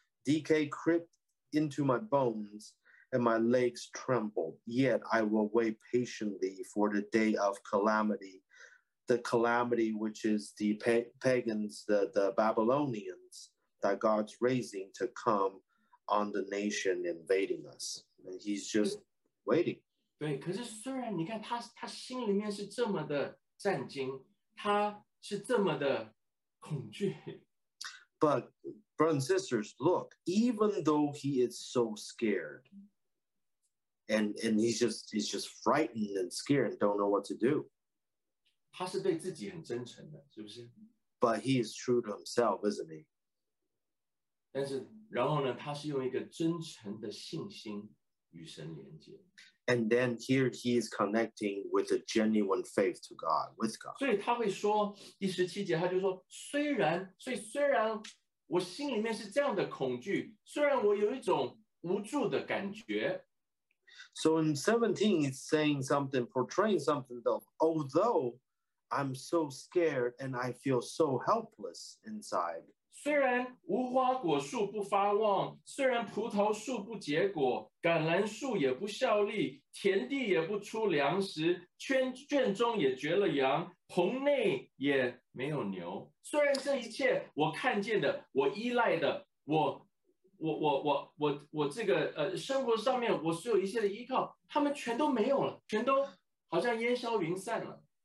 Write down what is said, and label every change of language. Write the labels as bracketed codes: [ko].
[en] DK crept into my bones and my legs trembled. Yet I will wait patiently for the day of calamity. The calamity, which is the pagans, the Babylonians, that God's raising to come on the nation invading us. And he's just waiting. [zh] 对，可是虽然你看他心里面是这么的战惊，他是这么的恐惧。 [en] But brothers and sisters, look, even though he is so scared, and he's just frightened and scared and don't know what to do. [zh] 他是对自己很真诚的，是不是？ [en] But he is true to himself, isn't he? [zh] 但是然后呢，他是用一个真诚的信心与神连接。 [en] And then here he is connecting with a genuine faith to God, with God. [zh] 所以他会说第十七节，他就说，虽然我心里面是这样的恐惧，虽然我有一种无助的感觉。 [en] So in 17, he's saying something, portraying something though. Although I'm so scared and I feel so helpless inside. [zh] 虽然无花果树不发旺，虽然葡萄树不结果，橄榄树也不效力，田地也不出粮食，圈中也绝了羊，棚内也没有牛。虽然这一切我看见的，我依赖的，我这个生活上面我所有一切的依靠，他们全都没有了，全都好像烟消云散了。